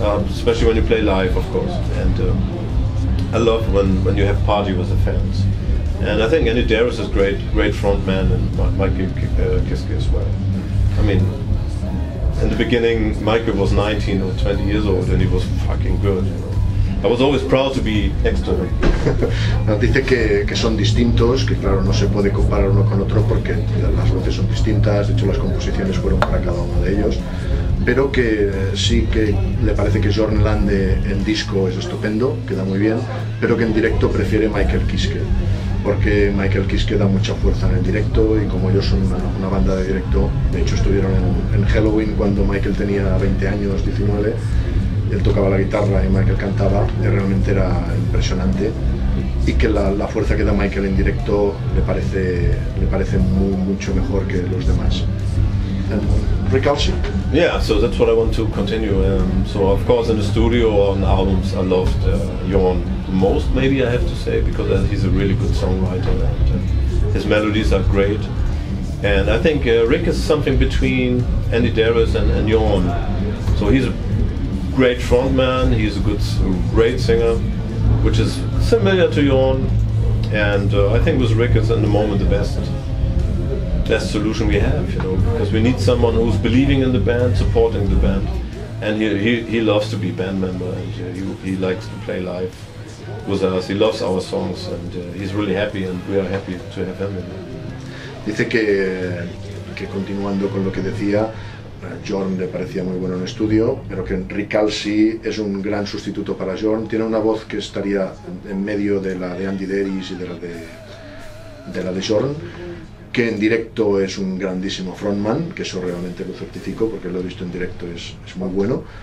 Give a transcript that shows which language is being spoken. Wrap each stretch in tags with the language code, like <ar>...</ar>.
<en>Especially when you play live, of course, and I love when you have party with the fans. And I think Andy Deris is great frontman, and Mikey Kiske as well. I mean, in the beginning, Mikey was 19 or 20 years old, and he was fucking good, you know. I was always proud to be Hector.</en> <es>Nos dice que son distintos, que claro, no se puede comparar uno con otro porque las voces son distintas, de hecho las composiciones fueron para cada uno de ellos, pero que sí que le parece que Jorn Land en disco es estupendo, queda muy bien, pero que en directo prefiere Michael Kiske, porque Michael Kiske da mucha fuerza en el directo y como ellos son una banda de directo, de hecho estuvieron en Helloween cuando Michael tenía 20 años, 19, él tocaba la guitarra y Michael cantaba, y realmente era impresionante, y que la fuerza que da Michael en directo le parece mucho mejor que los demás.</es> <en>Rick Alsing. Yeah, so that's what I want to continue. So of course in the studio or on albums I loved Jorn most, maybe I have to say, because he's a really good songwriter and his melodies are great. And I think Rick is something between Andy Darris and Jorn. So he's a great frontman, he's a good, great singer, which is similar to Jorn. And I think with Rick is in the moment the best solution we have, you know, because we need someone who's believing in the band, supporting the band, and he loves to be band member, and he likes to play live with us, he loves our songs, and he's really happy, and we are happy to have him.</en> <es>Dice que continuando con lo que decía, Jorn le parecía muy bueno en estudio, pero que Rick Alsi es un gran sustituto para Jorn, tiene una voz que estaría en medio de la de Andy Darris y de la de Jorn, que en directo es un grandísimo frontman, que eso realmente lo certifico porque lo he visto en directo, es muy bueno,</es>